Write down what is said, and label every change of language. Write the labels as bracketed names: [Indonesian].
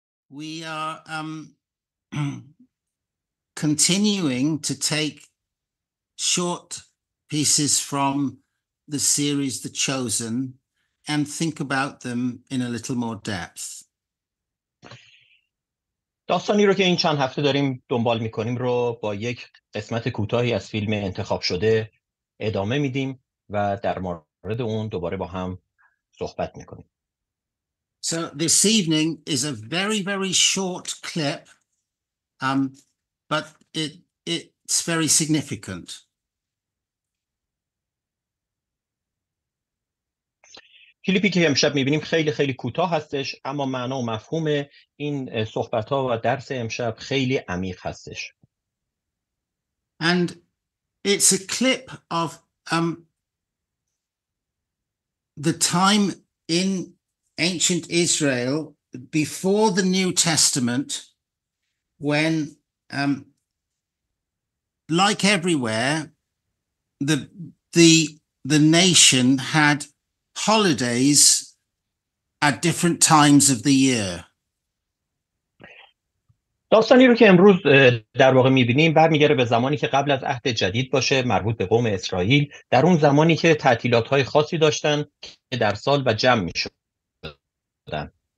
[English] We are continuing to take short pieces from the series The Chosen and think about them in a little more depth. [Persian] داستانی رو که این چند هفته داریم دنبال می‌کنیم رو با یک قسمت کوتاهی از فیلم انتخاب شده ادامه میدیم و در مورد اون دوباره با هم صحبت می‌کنیم. [English] So this evening is a very very short clip but it's very significant. [Persian] کلیپی که امشب می‌بینیم خیلی خیلی کوتاه هستش اما معنا و مفهوم این صحبت‌ها و درس امشب خیلی عمیق هستش. [English] And it's a clip of the time in ancient Israel before the New Testament when like everywhere the nation had holidays at different times of the year. [Persian] داستانی رو که امروز در واقع می‌بینیم برمیگره به زمانی که قبل از عهد جدید باشه مربوط به قوم اسرائیل در اون زمانی که تعطیلات‌های خاصی داشتن که در سال و جمع می‌شدن.